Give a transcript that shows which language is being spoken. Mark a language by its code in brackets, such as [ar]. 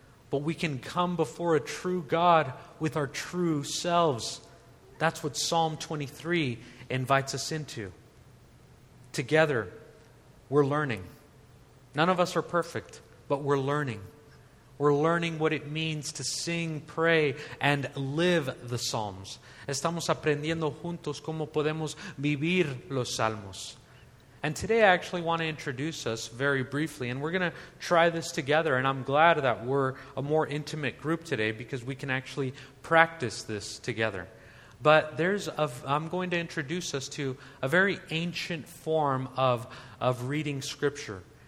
[en] But we can come before a true God with our true selves. That's what Psalm 23 invites us into. Together, we're learning. None of us are perfect, but we're learning. We're learning what it means to sing, pray, and live the Psalms. [es] Estamos aprendiendo juntos cómo podemos vivir los Salmos. [en] And today I actually want to introduce us very briefly, and we're going to try this together, and I'm glad that we're a more intimate group today because we can actually practice this together. But I'm going to introduce us to a very ancient form of reading Scripture.